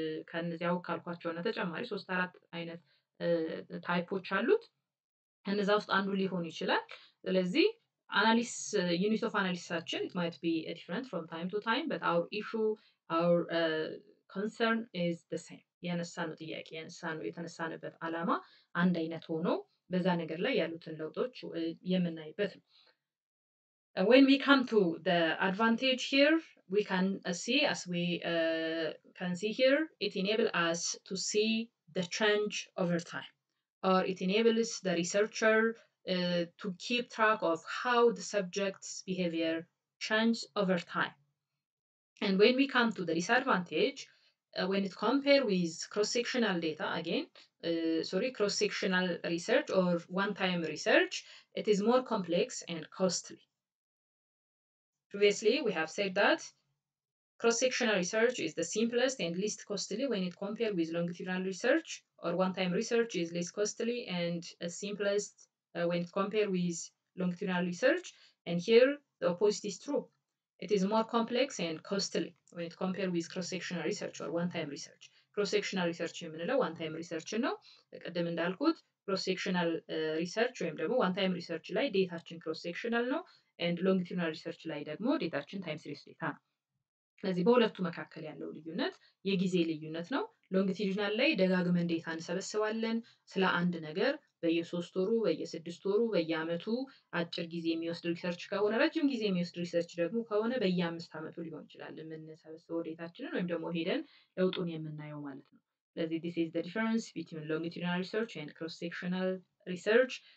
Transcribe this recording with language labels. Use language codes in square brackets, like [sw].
[am] ከነዚያው ካልኳቸው እና ተጨማሪ 3 4 አይነት ታይፖች አሉት እነዛ ውስጥ አንዱ ሊሆን ይችላል። ስለዚህ analysis unit of analysisችን [en] it might be different from time to time but our issue our concern is the same [am] የነሳነው ጥያቄ የነሳነው የተነሳነበት ዓላማ አንድ አይነት ሆኖ በዛ ነገር ላይ ያሉትን ለውጦች የምናይበት ነው። [en] When we come to the advantage here, we can see as we can see here, it enables us to see the change over time. Or it enables the researcher to keep track of how the subject's behavior changes over time. And when we come to the disadvantage, when it compare with cross-sectional data, again, cross-sectional research or one-time research, it is more complex and costly. Previously, we have said that Cross-sectional research is the simplest and least costly when it compared with longitudinal research, or one-time research is least costly and simplest when it compared with longitudinal research. And here, the opposite is true. It is more complex and costly when it compared with cross-sectional research or one-time research. Cross-sectional research, one-time research, no? [am] ቀደም እንዳልኩት, [en] cross-sectional research, one-time research, data cross-sectional, no? And longitudinal research, data time series data. [am] ለዚህ በሁለቱ መካከለ ያለው ልዩነት የጊዜ ልዩነት ነው ሎንግቲዩድናል ላይ ደጋግመን ዴታን ሰበስባለን ስለ አንድ ነገር በየሶስት ወሩ በየስድስት ወሩ በየአመቱ አጭር ጊዜ የሚወስድ ሪሰርች ከሆነ ረጅም ጊዜ የሚወስድ ሪሰርች ደግሞ ከሆነ በየአምስት አመቱ ሊሆን ይችላል ምን ሰበስበው ዴታችንን ወይም ደግሞ ሄደን ለውጡን የምናየው ማለት ነው ለዚህ [en] this is the difference between longitudinal research and cross sectional research